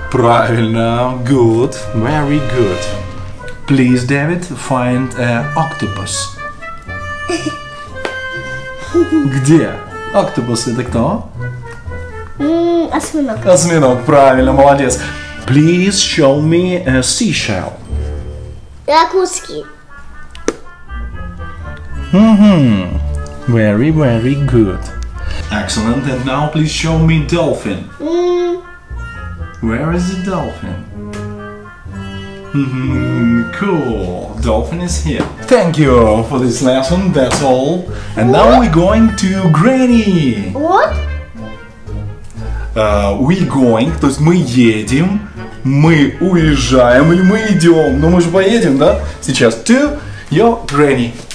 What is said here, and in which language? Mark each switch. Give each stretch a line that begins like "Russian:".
English: Правильно. Good. Very good. Please, David, find an octopus.
Russian: Где? Октопус – это кто? Осьминог. Осьминог, правильно, молодец.
English: Please show me a seashell.
Russian: Акульский.
English: Mm-hmm. Very, very good. Excellent. And now please show me dolphin. Where is the dolphin? Cool. Dolphin is here. Thank you for this lesson. That's all. And now we're going to Granny. What?
Russian: То есть мы едем, мы уезжаем или мы идем. Но мы же поедем, да?
English: Сейчас to your Granny.